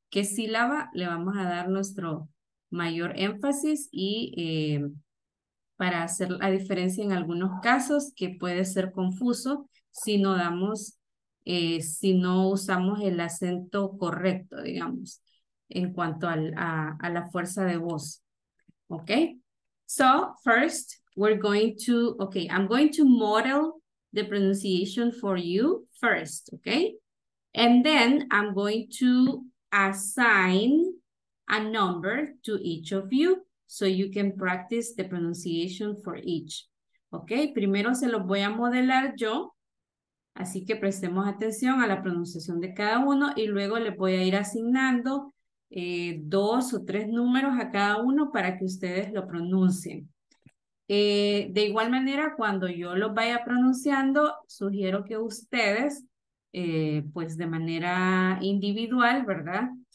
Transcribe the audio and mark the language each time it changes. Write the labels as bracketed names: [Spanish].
[Spanish] qué sílaba le vamos a dar nuestro mayor énfasis y para hacer la diferencia en algunos casos que puede ser confuso si no damos, si no usamos el acento correcto, digamos, en cuanto a la fuerza de voz. [English] Ok, so first we're going to, ok, I'm going to model the pronunciation for you first, ok, and then I'm going to assign a number to each of you so you can practice the pronunciation for each. [Spanish] Ok, primero se los voy a modelar yo, así que prestemos atención a la pronunciación de cada uno y luego les voy a ir asignando dos o tres números a cada uno para que ustedes lo pronuncien. De igual manera, cuando yo los vaya pronunciando, sugiero que ustedes, pues de manera individual, ¿verdad?